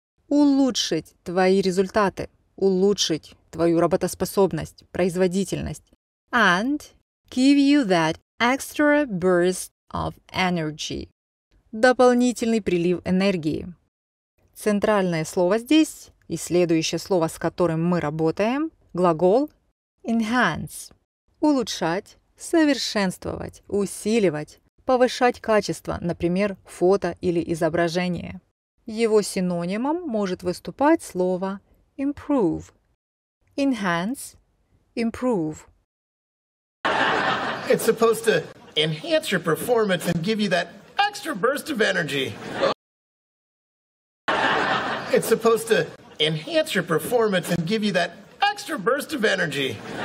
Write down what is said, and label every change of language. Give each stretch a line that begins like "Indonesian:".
Russian: улучшить твои результаты, улучшить твою работоспособность, производительность,
English: and give you that extra burst of energy,
Russian: дополнительный прилив энергии. Центральное слово здесь и следующее слово, с которым мы работаем, глагол
English: enhance,
Russian: улучшать, совершенствовать, усиливать, повышать качество, например, фото или изображение. Его синонимом может выступать слово improve.
English: Enhance, improve. It's supposed to enhance your performance and give you that extra burst of energy. It's supposed to enhance your performance and give you that extra burst of energy.